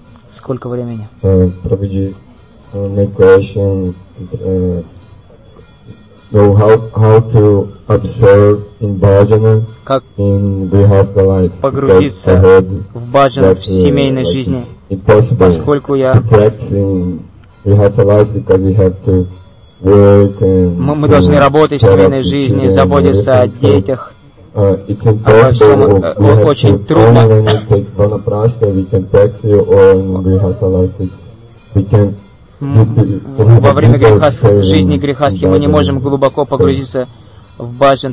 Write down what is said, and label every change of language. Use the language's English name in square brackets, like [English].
[Russian] Сколько времени? [English] Прабхуджи, my question is, how to observe in bhajana? [Russian] Как [English] in grihastha life? [Russian] Погрузиться в bhajan в семейной жизни? Поскольку я [English] grihastha life, because we have to work and [Russian] мы должны работать в семейной жизни, заботиться о детях. [English] It's impossible. [Russian] Очень трудно. [English] Only when we take vanaprastha, we can practice, or in grihastha life, we can. [Russian] Во время грехастхи, жизни грехастхи мы не можем глубоко погрузиться в баджан.